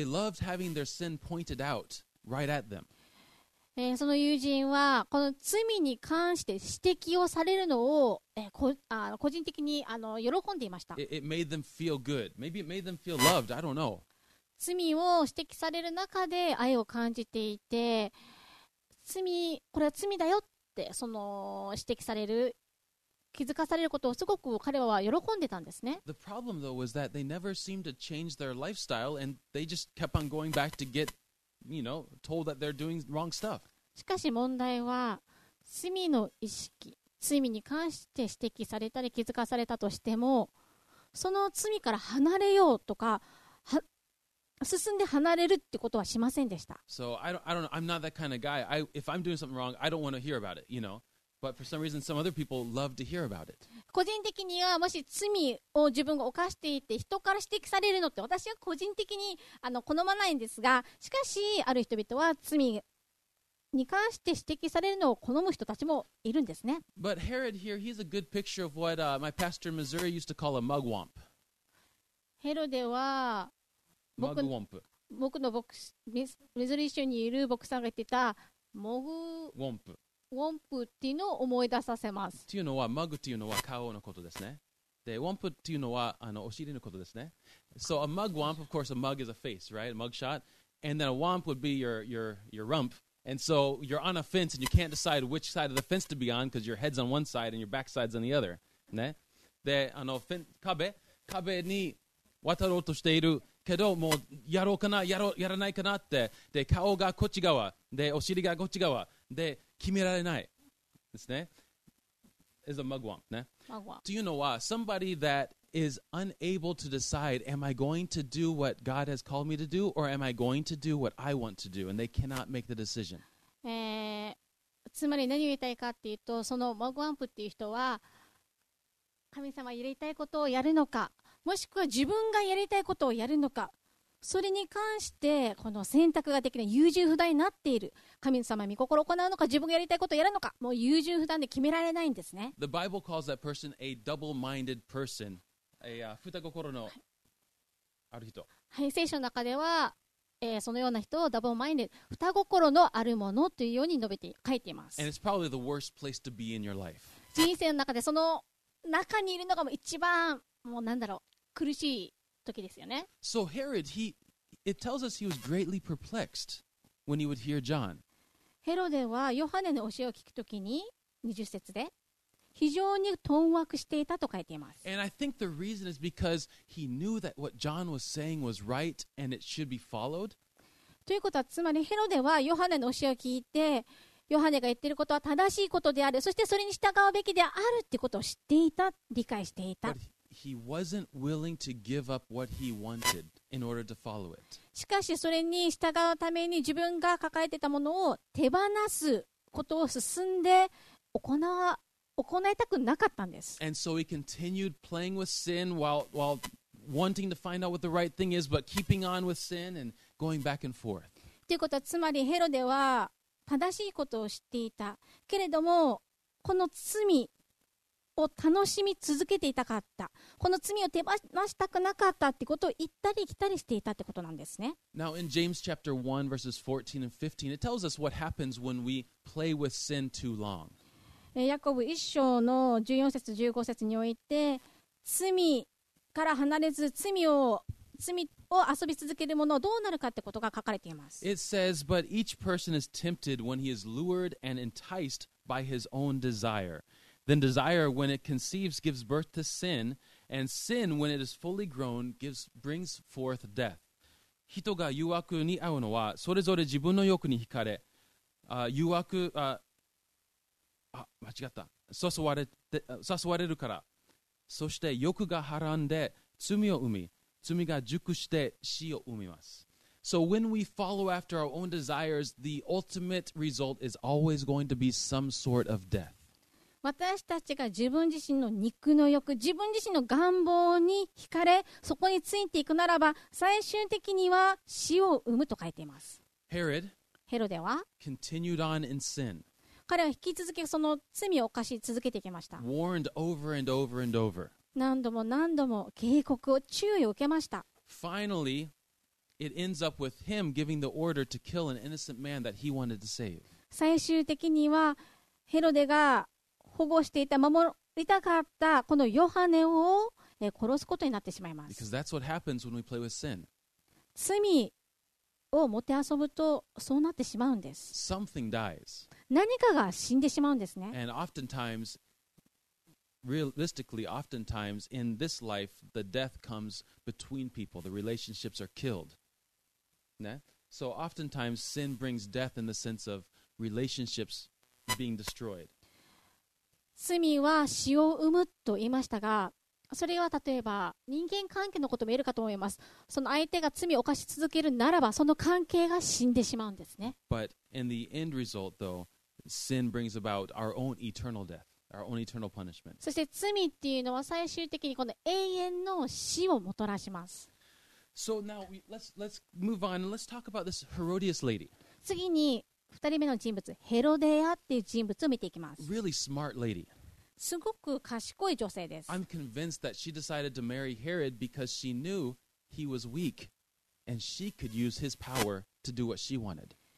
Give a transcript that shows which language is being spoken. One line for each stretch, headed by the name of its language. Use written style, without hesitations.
English: They loved having their sin pointed out right at them.
Japanese: その友人はこの罪に関して指摘をされるのを、個人的に喜んでいました。
English: It made them feel good. Maybe it made them feel loved. I don't know.
Japanese: 罪を指摘される中で愛を感じていて、罪、これは罪だよってその指摘される気づかされることをすごく彼は喜んでたんですね。
English: The problem though was that they never seemed to change their lifestyle and they just kept on going back to get, you know, told that they're doing wrong stuff. しかし問題は罪の意識、罪に関して指摘されたり気づかされたとしても、その罪から離れようとか進んで離れるってことはしませんでした。 So I don't know. I'm not that kind of guy. If I'm doing something wrong, I don't want to hear about it. You know. But for some reason, some other people love to hear about it.
Japanese: 個人的にはもし罪を自分が犯していて人から指摘されるのって私は個人的に好まないんですが、しかしある人々は罪に関して指摘されるのを好む人たちもいるんですね。
English: But Herod here, he's a good picture of what my pastor in Missouri used to call a mugwump.
Japanese: ヘロデは
English: mugwump.
Japanese: 僕の牧師、ミズリ州にいる牧師さんが言ってたモグウォンプ、ウォンプっていうのを思い出させます。っていうのはマグっていうのは顔のことですね。で、ウォンプっていうのはお尻のことですね。
English: So a mugwump, of course, a mug is a face, right? A mugshot. And then a womp would be your rump. And so you're on a fence and you can't decide which side of the fence to be on because your head's on one side and your backside's on the other.
Japanese: ね。で、壁に渡ろうとしている。けどもうやろうかな、やらないかなって、で顔がこっち側、でお尻がこっち側、で決められないですね。
English: Is a mugwump, ね。 Mugwump. Do you know why? Somebody that is unable to decide, am I going to do what God has called me to do, or am I going to do what I want to do, and they cannot make the decision.
Japanese: つまり何を言いたいかっていうと、そのマグワンプっていう人は、神様やりたいことをやるのか、もしくは自分がやりたいことをやるのか、それに関してこの選択ができない、優柔不断になっている。神様御心を行うのか、自分がやりたいことをやるのか、もう優柔不断で決められないんですね。
English: The Bible calls that person a double-minded person.
Japanese: 二心のある人、はい、聖書の中では、そのような人を double-minded、 二心のあるものというように述べて書いています。
English: And it's probably the worst place to be in your life.
Japanese: 人生の中でその中にいるのがもう一番もうなんだろう、苦しい時ですよね。
English: So Herod, it tells us he was greatly perplexed when he would hear John.
Japanese: ヘロデはヨハネの教えを聞くときに、20節で非常に困惑していたと書いています。
English: And I think the reason is because he knew that what John was saying was right and it should be followed.
Japanese: ということはつまりヘロデはヨハネの教えを聞いて、ヨハネが言ってることは正しいことである、そしてそれに従うべきであるってことを知っていた、理解していた。
English: He wasn't willing to give up what he wanted in order to follow it.
Japanese: しかしそれに従うために自分が抱えてたものを手放すことを進んで行いたくなかったんです。
English: And so he continued playing with sin while wanting to find out what the right thing is, but keeping on with sin and going back and forth.
Japanese: ということはつまりヘロデは正しいことを知っていたけれども、この罪を楽しみ続けていたかった、この罪を手放したくなかったってことを言ったり来たりしていたってことなんですね。
English: Now in James chapter 1 verses 14 and 15 it tells us what happens when we play with sin too long.
Japanese: ヤコブ1章の14節15節において罪から離れず罪を遊び続けるものはどうなるかってことが書かれています。
English: It says but each person is tempted when he is lured and enticed by his own desire. Then desire, when it conceives, gives birth to sin, and sin, when it is fully grown, brings forth death.
Japanese: 人が誘惑に遭うのは、それぞれ自分の欲に惹かれ、誘われるから。そして欲がはらんで罪を生み、罪が熟して死を生みます。
English: So when we follow after our own desires, the ultimate result is always going to be some sort of death.
Japanese: 私たちが自分自身の肉の欲、自分自身の願望に惹かれ、そこについていくならば、最終的には死を生むと書いています。
English: Herod、
Japanese: ヘロデは、
English: continued on in sin.
Japanese: 彼は引き続きその罪を犯し続けてきました。
English: Warned over and over and over.
Japanese: 何度も何度も警告を、注意を受けました。
English: Finally, it ends up with him giving the order to kill an innocent man that he wanted to save.
Japanese: 最終的にはヘロデが保護していた、守りたかったこのヨハネを殺すことになってしまいます。
English: Because that's what happens when we play with sin.
Japanese: 罪をもてあそぶとそうなってしまうんです。
English: Something dies.
Japanese: 何かが死んでしまうんですね。
English: And oftentimes, realistically, oftentimes in this life, the death comes between people. The relationships are killed. ね?So oftentimes, sin brings death in the sense of relationships being destroyed.
Japanese: 罪は死を生むと言いましたが、それは例えば人間関係のことも言えるかと思います。その相手が罪を犯し続けるならば、その関係が死んでしまうんですね。
English: But in the end result though, sin brings about our own eternal death, our own eternal punishment.
Japanese: そして罪っていうのは最終的にこの永遠の死をもたらします。
English: So now let's move on and let's talk about this Herodias lady.
Japanese: 次に 2人目の人物、ヘロデアっていう人物を見ていきます。
English: Really smart ladys
Japanese: ごく賢い女性です。
English: I'm convinced that she decided to marry Herod because she knew he was weak and she could use his power to do what she wanted.